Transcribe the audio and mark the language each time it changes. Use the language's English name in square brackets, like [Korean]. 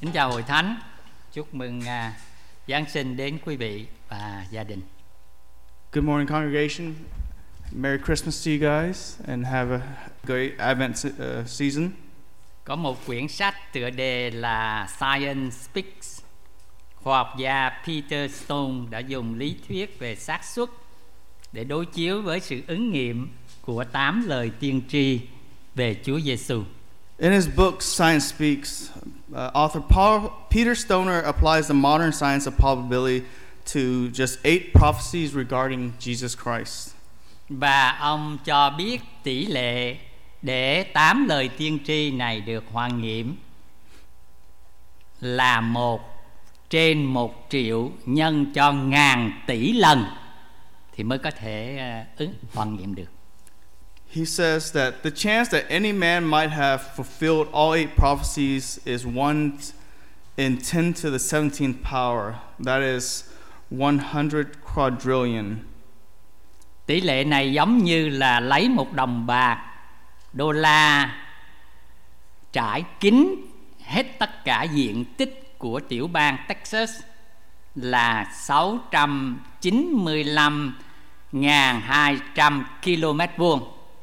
[Vietnamese] Kính chào Hội Thánh, chúc mừng Giáng sinh đến quý vị và gia đình. [English] Good morning, congregation. Merry Christmas to you guys and have a great Advent season. [Vietnamese] Có một quyển sách tựa đề là Science Speaks. Khoa học gia Peter Stone đã dùng lý thuyết về xác suất để đối chiếu với sự ứng nghiệm của 8 lời tiên tri về Chúa Giê-xu. [English] In his book Science Speaks, author Peter Stoner applies the modern science of probability to just 8 prophecies regarding Jesus Christ. [Vietnamese] Và ông cho biết tỷ lệ để 8 lời tiên tri này được hoàn nghiệm là 1 trên 1 triệu nhân cho ngàn tỷ lần thì mới có thể hoàn nghiệm được. [English] He says that the chance that any man might have fulfilled all 8 prophecies is 1 in 10 to the 17th power. That is 100 quadrillion. [Vietnamese] Tỷ lệ này giống như là lấy một đồng bạc đô la trải kín hết tất cả diện tích của tiểu bang Texas là 695.200 km vuông.